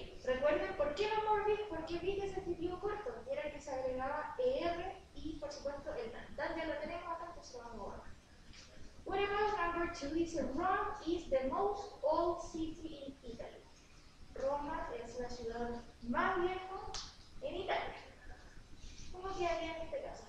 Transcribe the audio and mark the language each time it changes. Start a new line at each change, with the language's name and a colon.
Spanish: Recuerden, ¿por qué no more big? Porque big es adjetivo corto. Era que se agregaba er y, por supuesto, el than. Than ya lo tenemos acá, pues se va a mover.
English: What about number two? Is Rome is the most old city in Italy.
Spanish: Roma es la ciudad más vieja en Italia. ¿Cómo quedaría en este caso?